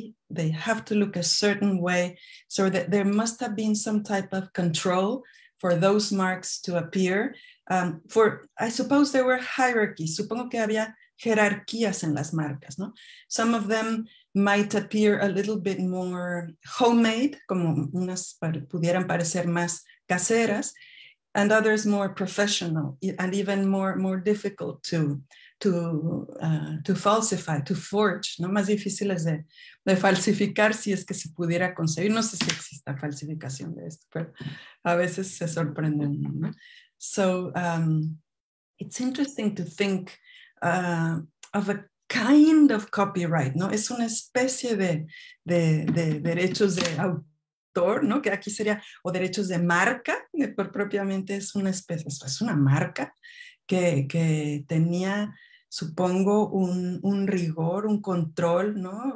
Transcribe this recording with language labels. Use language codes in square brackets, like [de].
[en] They have to look a certain way, so that there must have been some type of control for those marks to appear. I suppose there were hierarchies. [es] Supongo que había jerarquías en las marcas, ¿no? [en] Some of them might appear a little bit more homemade, [es] como unas pudieran parecer más caseras, [en] and others more professional and even more difficult to falsify, to forge, ¿no? [es] Más difíciles de falsificar si es que se pudiera conseguir. No sé si exista falsificación de esto, pero a veces se sorprenden, ¿no? [en] So it's interesting to think of a kind of copyright, ¿no? [es] Es una especie de derechos de autor, ¿no? Que aquí sería, o derechos de marca, por propiamente es una especie, es una marca que tenía, supongo, un rigor, un control, ¿no?